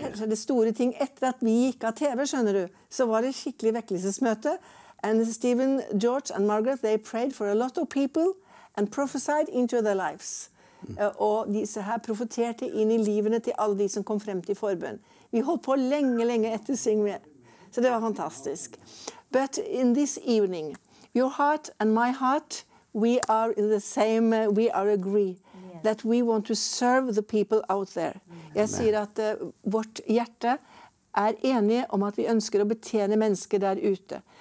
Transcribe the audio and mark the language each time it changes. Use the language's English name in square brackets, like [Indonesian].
[Norwegian] og det store ting etter at vi gikk av TV, skjønner du, så var det skikkelig vekkelsesmøte. [English] And Stephen, George and Margaret, they prayed for a lot of people and prophesied into their lives. [Norwegian] Og disse her profeterte inn i livene til alle de som kom frem til forbønn. Vi holdt på lenge, lenge etter Syng med. Så det var fantastisk. [English] But in this evening, your heart and my heart, we are in the same, we are agree. Yes. that we want to serve the people out there. [Norwegian] Jeg sier at vårt hjerte er enige om at vi ønsker å betjene mennesker der ute.